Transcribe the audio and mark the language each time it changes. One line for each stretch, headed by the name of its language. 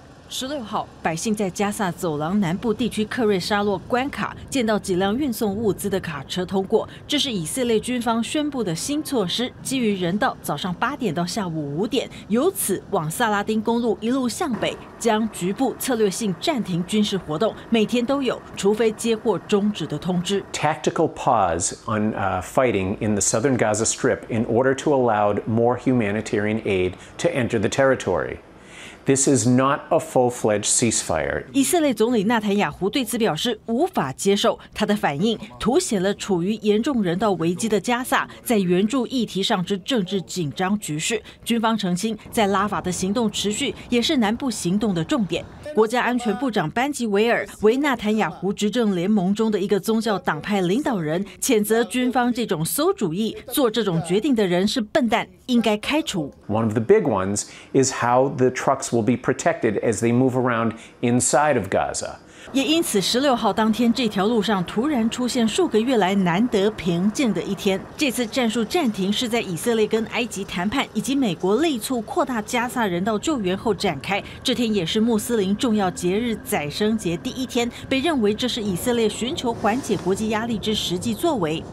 Chinese: 16号，百姓在加萨走廊南部地区克瑞沙洛关卡见到几辆运送物资的卡车通过，这是以色列军方宣布的新措施，基于人道，早上8点到下午5点，由此往萨拉丁公路一路向北，将局部策略性暂停军事活动，每天都有，除非接获终止的通知。
English: Tactical pause on fighting in the southern Gaza Strip in order to allow more humanitarian aid to enter the territory. This is not a full-fledged ceasefire.
Chinese: 以色列总理纳坦雅胡对此表示无法接受，他的反应凸显了处于严重人道危机的加萨在援助议题上之政治紧张局势。军方澄清，在拉法的行动持续也是南部行动的重点。国家安全部长班吉维尔为纳坦雅胡执政联盟中的一个宗教党派领导人，谴责军方这种馊主意，做这种决定的人是笨蛋，应该开除。
English: One of the big ones is how the trucks will be protected as they move around inside of Gaza.
Chinese: 也因此16号当天这条路上突然出现数个月来难得平静的一天。这次战术暂停是在以色列跟埃及谈判以及美国力促扩大加萨人道救援后展开，这天也是穆斯林重要节日宰牲节第一天，被认为这是以色列寻求缓解国际压力之实际作为。